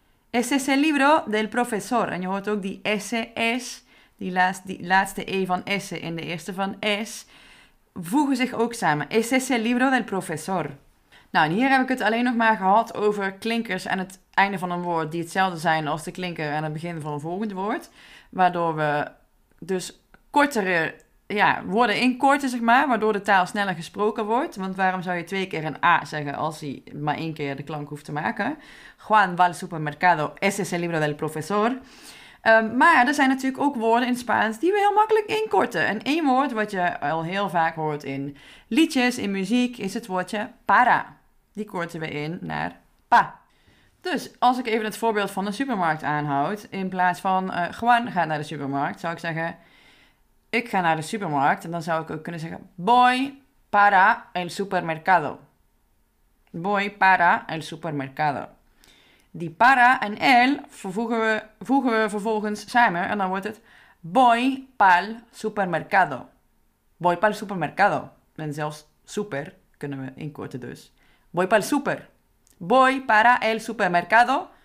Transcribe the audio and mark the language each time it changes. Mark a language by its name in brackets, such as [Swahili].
[Spanish] Ese es el libro del profesor. [Dutch] En je hoort ook die ese es, die laatste e van ese en de eerste van es, voegen zich ook samen. [Spanish] Ese es el libro del profesor. [Dutch] Nou, en hier heb ik het alleen nog maar gehad over klinkers aan het einde van een woord die hetzelfde zijn als de klinker aan het begin van een volgend woord. Waardoor we dus kortere, ja, woorden inkorten, zeg maar, waardoor de taal sneller gesproken wordt. Want waarom zou je twee keer een A zeggen als hij maar één keer de klank hoeft te maken? [Spanish] Juan va al supermercado, ese es el libro del profesor. [Dutch] Maar er zijn natuurlijk ook woorden in Spaans die we heel makkelijk inkorten. En één woord wat je al heel vaak hoort in liedjes, in muziek, is het woordje para. Die korten we in naar pa. Dus als ik even het voorbeeld van de supermarkt aanhoud, in plaats van Juan gaat naar de supermarkt, zou ik zeggen ik ga naar de supermarkt. En dan zou ik ook kunnen zeggen voy para el supermercado. [Spanish] Voy para el supermercado. [Dutch] Die para en el voegen we vervolgens samen en dan wordt het voy pa'l supermercado. Voy pa'l supermercado. En zelfs super kunnen we inkorten dus. [Spanish] Voy pa'l super. Voy para el supermercado.